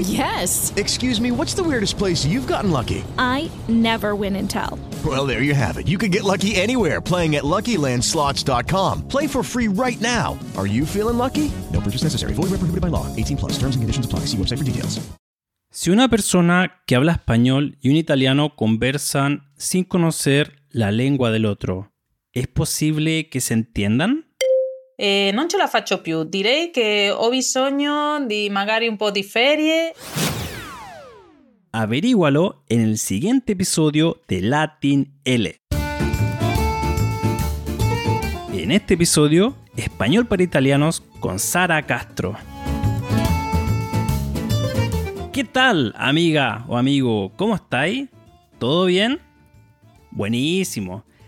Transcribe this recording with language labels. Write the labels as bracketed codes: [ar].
[en] Yes. Excuse me, what's the weirdest place you've gotten lucky? I never win and tell. Well, there you have it. You can get lucky anywhere, playing at LuckyLandSlots.com. Play for free right now. Are you feeling lucky? No purchase necessary. Void where prohibited by law. 18 plus. Terms and conditions apply. See website for details. [es] Si una persona que habla español y un italiano conversan sin conocer la lengua del otro, ¿es posible que se entiendan? [it] Non ce la faccio più. Direi che ho bisogno di magari un po' di ferie. [es] Averígualo en el siguiente episodio de Latin L. En este episodio, Español para Italianos con Sara Castro. ¿Qué tal, amiga o amigo? ¿Cómo estáis? ¿Todo bien? Buenísimo.